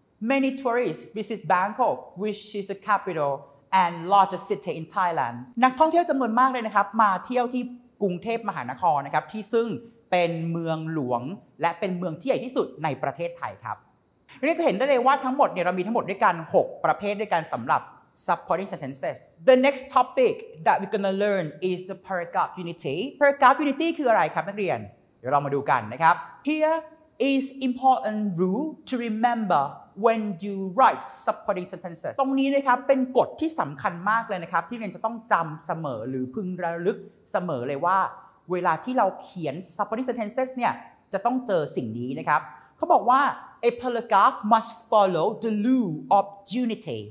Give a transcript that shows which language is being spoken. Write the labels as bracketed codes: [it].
[en] many tourists visit Bangkok which is the capital and largest city in Thailand [th] นักท่องเที่ยวจำนวนมากเลยนะครับมาเที่ยวที่กรุงเทพมหานครนะครับที่ซึ่งเป็นเมืองหลวงและเป็นเมืองที่ใหญ่ที่สุดในประเทศไทยครับเราจะเห็นได้เลยว่าทั้งหมดเนี่ยเรามีทั้งหมดด้วยกัน6ประเภทด้วยกันสำหรับSupporting sentences. [en] The next topic that we're gonna learn is the paragraph unity. [th] Paragraph unity คืออะไรครับนักเรียนเดี๋ยวเรามาดูกันนะครับ [en] Here is important rule to remember when you write supporting sentences. [th] ตรงนี้นะครับเป็นกฎที่สำคัญมากเลยนะครับที่เรียนจะต้องจำเสมอหรือพึงระลึกเสมอเลยว่าเวลาที่เราเขียน supporting sentences เนี่ยจะต้องเจอสิ่งนี้นะครับเขาบอกว่า [en] A paragraph must follow the rule of unity.